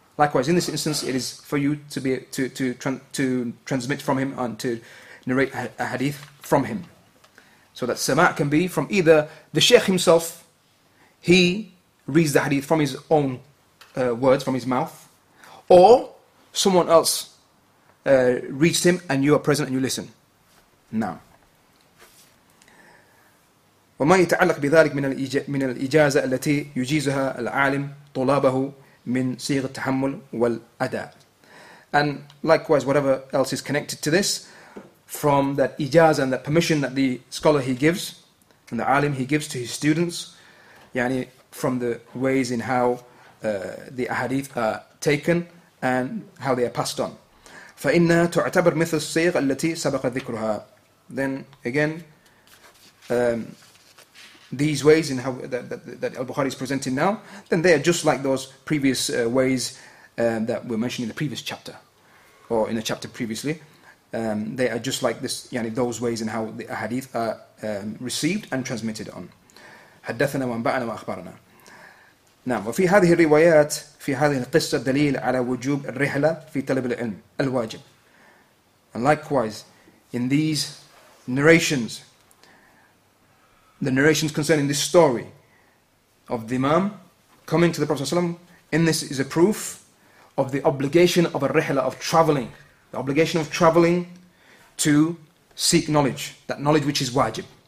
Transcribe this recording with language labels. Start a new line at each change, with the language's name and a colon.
English: Likewise, in this instance, it is for you to be to transmit from him and to narrate a hadith from him. So that sama' can be from either the sheikh himself, he reads the hadith from his own words, from his mouth, or someone else reads to him and you are present and you listen. Now.
Arabic: وما يتعلق بذلك من الإجازة التي يجيزها العالم طلابه من صيغ التحمل والأداء.
English: And likewise, whatever else is connected to this, from that إجازة and that permission that the scholar he gives, and the عالم he gives to his students, يعني from the ways in how the أحاديث are taken and how they are passed on.
Arabic: فإنها تعتبر مثل الصيغ التي سبق ذكرها.
English: Then again, these ways in how that Al-Bukhari is presenting now, then they are just like those previous ways that were mentioned in the previous chapter, or in a chapter previously. They are just like this, yani those ways in how the hadith are received and transmitted on.
Arabic: حدثنا وانبأنا وأخبرنا. نعم وفي هذه الروايات في هذه القصة دليل على وجوب الرحلة في طلب العلم الواجب.
English: And likewise, in these narrations, the narrations concerning this story of the Imam coming to the Prophet ﷺ, in this is a proof of the obligation of a rihla, of traveling. The obligation of traveling to seek knowledge. That knowledge which is wajib.